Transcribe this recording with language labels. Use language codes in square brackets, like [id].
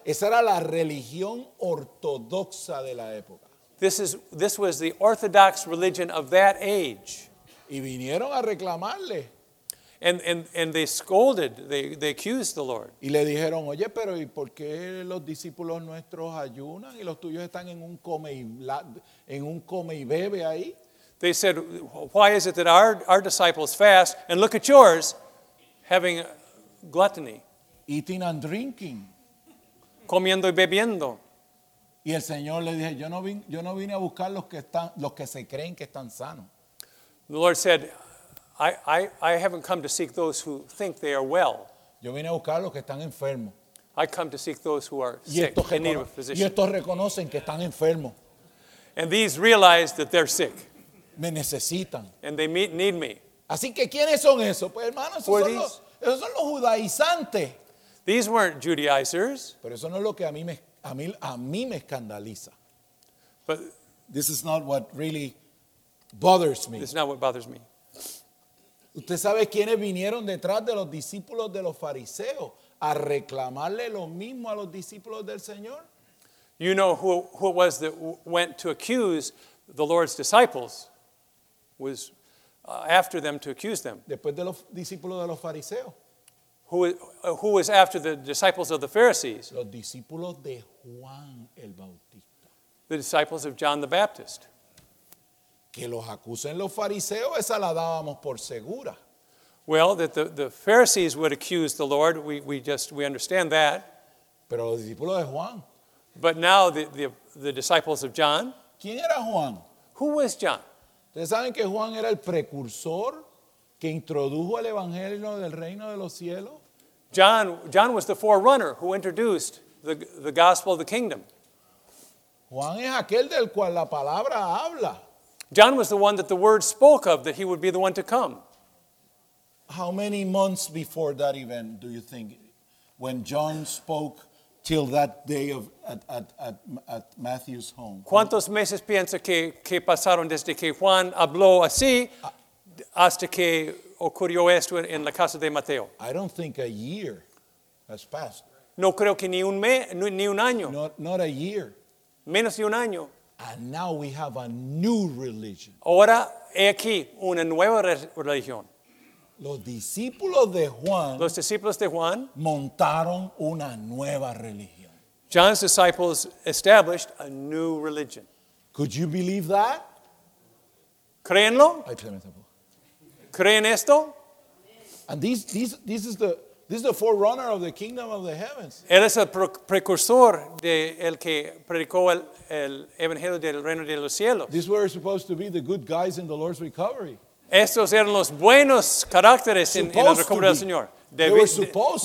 [es] Esa era la religión ortodoxa de la época. [en] This was the orthodox religion of that age. [es] Y vinieron a reclamarle. [en] And they scolded, they accused the Lord. [es] Y le dijeron, oye, pero ¿y por qué los discípulos nuestros ayunan y los tuyos están en un come y bebe ahí? [en] They said, why is it that our disciples fast and look at yours having gluttony? Eating and drinking. [es] Comiendo y bebiendo. Y el Señor le dije, yo no vine a buscar los que se creen que están sanos. [en] The Lord said, I haven't come to seek those who think they are well. [es] Yo vine a buscar a los que están enfermos. [en] I come to seek those who are sick and need of a physician. [es] Y estos reconocen que están enfermos. [en] And these realize that they're sick. [es] Me necesitan. [en] And they need me. [es] Así que ¿quiénes son esos? Pues hermanos, esos son los judaizantes. [en] These weren't Judaizers. [es] Pero eso no es lo que a mí me escandaliza. [en] But this is not what really bothers me. This is not what bothers me. [es] ¿Usted sabe quiénes vinieron detrás de los discípulos de los fariseos a reclamarle lo mismo a los discípulos del Señor? [en] You know who it was that went to accuse the Lord's disciples, was after them to accuse them. [es] Después de los discípulos de los fariseos. [en] Who was after the disciples of the Pharisees? [es] Los discípulos de Juan el Bautista. [en] The disciples of John the Baptist. [es] Que los acusen los fariseos, esa la dábamos por segura. [en] Well, that the Pharisees would accuse the Lord, we understand that. [es] Pero los discípulos de Juan. [en] But now the disciples of John. [es] ¿Quién era Juan? [en] Who was John? [es] ¿Ustedes saben que Juan era el precursor que introdujo el evangelio del reino de los cielos? [en] John was the forerunner who introduced the gospel of the kingdom. [es] Juan es aquel del cual la palabra habla. [en] John was the one that the word spoke of, that he would be the one to come. How many months before that event do you think, when John spoke till that day of at Matthew's home? [es] ¿Cuántos meses piensa que pasaron desde que Juan habló así hasta que ocurrió esto en la casa de Mateo? [en] I don't think a year has passed. [es] No creo que ni un año. [en] Not a year. [es] Menos de un año. [en] And now we have a new religion. [es] Ahora he aquí una nueva religión. Los discípulos de Juan, los discípulos de Juan, montaron una nueva religión. [en] John's disciples established a new religion. Could you believe that? [es] ¿Créenlo? Ay, espérame, tampoco. ¿Creen esto? [en] And this is the forerunner of the kingdom of the heavens. [es] Él es el precursor del que predicó el evangelio del reino de los cielos. [en] These were supposed to be the good guys in the Lord's recovery. [es] Estos eran los buenos caracteres en la recuperación del Señor.